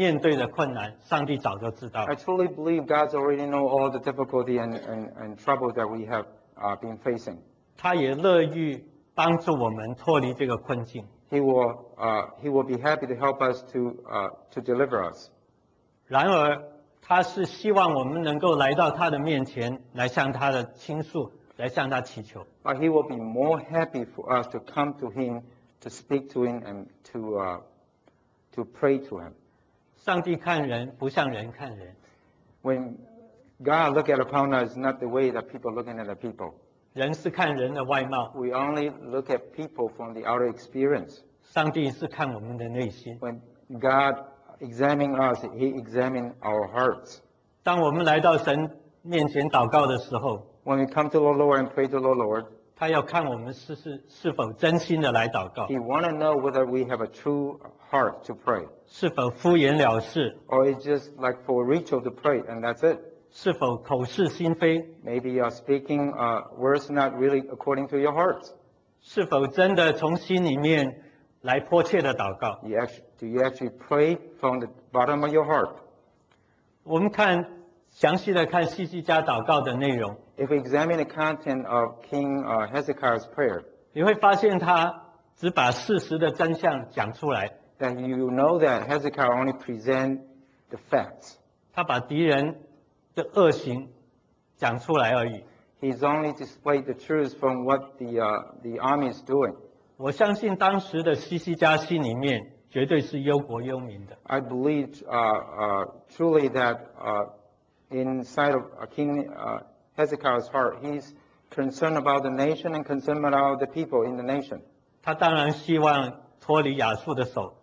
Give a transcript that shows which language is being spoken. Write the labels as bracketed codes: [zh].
[zh] 我相信我们所需要的，我们面对的困难，上帝早就知道。 [en] I truly believe God already know all the difficulty and trouble that we have been facing. [zh] 他也乐于帮助我们脱离这个困境。 [en] He will be happy to help us to deliver us. [zh] 然而，他是希望我们能够来到他的面前，来向他的倾诉，来向他祈求。 [en] But he will be more happy for us to come to him, to speak to him, and to pray to him. [zh] 上帝看人不像人看人。 [en] When God look at upon us, not the way that people looking at the people. [zh] 人是看人的外貌。 [en] We only look at people from the outer experience. [zh] 上帝是看我们的内心。 [en] When God examines us, He examines our hearts. [zh] 当我们来到神面前祷告的时候, [en] when we come to the Lord and pray to the Lord, [zh] 他要看我们是否真心的来祷告。 [en] He want to know whether we have a true heart to pray. [zh] 是否敷衍了事。 [en] Or it's just like for ritual to pray and that's it. [zh] 是否口是心非。 [en] Maybe you're speaking words not really according to your heart. [zh] 是否真的从心里面来迫切的祷告。 [en] Do you actually pray from the bottom of your heart? [zh] 我们看详细的看西西家祷告的内容。 [en] If we examine the content of King Hezekiah's prayer, [zh] 你会发现他只把事实的真相讲出来。 [en] Then you know that Hezekiah only present the facts. [zh] 他把敌人的恶行讲出来而已。 [en] He's only displayed the truth from what the army is doing. [zh] 我相信当时的西西家心里面绝对是忧国忧民的。 [en] I believe truly that inside of King Hezekiah's heart, he's concerned about the nation and concerned about the people in the nation. [zh] 他当然希望脱离亚述的手。